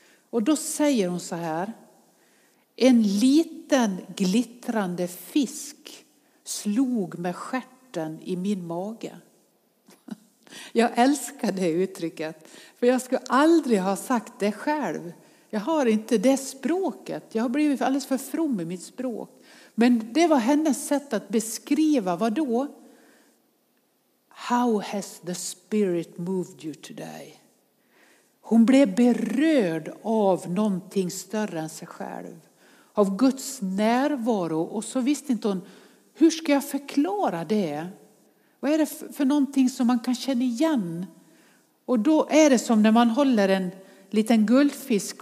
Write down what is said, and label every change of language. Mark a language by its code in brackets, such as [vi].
[sv] Och då säger hon så här. En liten glittrande fisk slog med stjärten i min mage. Jag älskar det uttrycket. För jag skulle aldrig ha sagt det själv. Jag har inte det språket. Jag har blivit alldeles för from i mitt språk. Men det var hennes sätt att beskriva. Vad då? [en] How has the spirit moved you today? [sv] Hon blev berörd av någonting större än sig själv. Av Guds närvaro. Och så visste inte hon, hur ska jag förklara det? Vad är det för någonting som man kan känna igen? Och då är det som när man håller en liten guldfisk.